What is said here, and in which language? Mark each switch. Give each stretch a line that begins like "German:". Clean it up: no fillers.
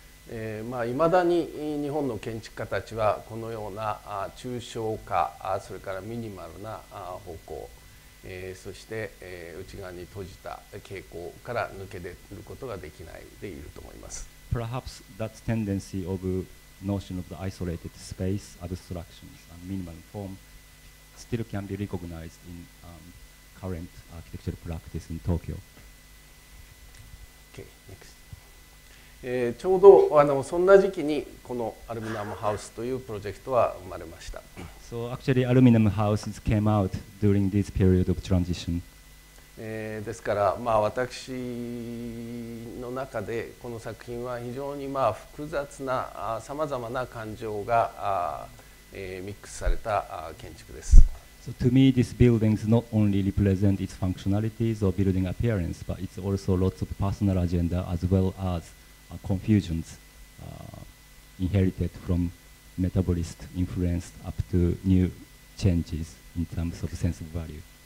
Japanese: いまだに日本の建築家たちはこのような抽象化、それからミニマルな方向、そして内側に閉じた傾向から抜け出ることができないでいると思います。
English: Perhaps that tendency of notion of the isolated space, abstractions, and minimal form still can be recognized in current architectural practice in Tokyo. Okay, next.
Japanese: ちょうどそんな時期にこのアルミナムハウスというプロジェクトは生まれました。
English: So actually, aluminum houses came out during this period of transition.
Japanese: ですから、私の中でこの作品は非常に複雑なさまざまな感情がミックスされた建築です。
English: So to me, this building not only represents its functionalities or building appearance, but it's also lots of personal agenda as well as confusions inherited from metabolist influenced up to new changes in terms of sense of value.